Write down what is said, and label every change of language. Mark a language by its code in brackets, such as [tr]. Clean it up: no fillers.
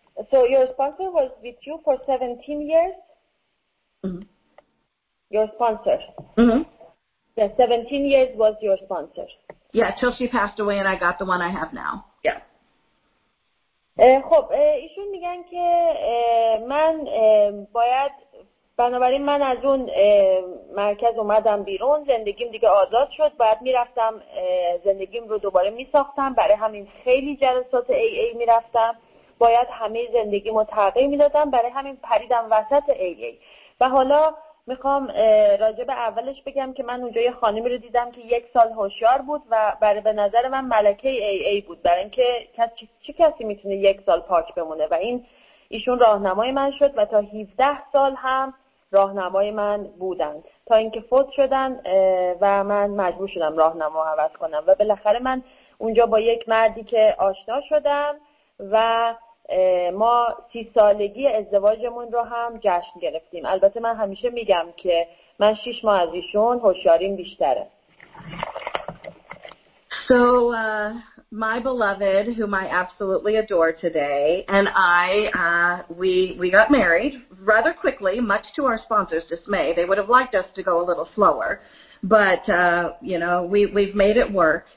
[en] So your sponsor was with you for 17 years? Mm-hmm. Your sponsor? Mm-hmm. Yeah, 17 years was your sponsor. Yeah, till she passed away and I got the one I have now. Yeah. [fa] خب ایشون میگن که من باید بنابراین من از اون مرکز اومدم بیرون، زندگیم دیگه آزاد شد، باید میرفتم زندگیم رو دوباره میساختم، برای همین خیلی جلسات AA میرفتم، باید همه زندگیم رو تغییر میدادم، برای همین پریدم وسط AA. و حالا میخوام راجب اولش بگم که من اونجا یه خانمی رو دیدم که 1 سال هوشیار بود و برای به نظر من ملکه AA بود، برای اینکه چه کسی میتونه 1 سال پاک بمونه و این ایشون راهنمای من شد و تا 17 سال هم راهنمای من بودن تا اینکه فوت شدن و من مجبور شدم راهنما عوض کنم و بالاخره من اونجا با یک مردی که آشنا شدم و ما 30 سالگی ازدواجمون رو هم جشن گرفتیم. البته من همیشه میگم که من 6 ماه از ایشون هوشیاریم بیشتره. [en] So my beloved, whom I absolutely adore today, and I, we got married rather quickly, much to our sponsor's dismay. They would have liked us to go a little slower, but, you know, we've made it work.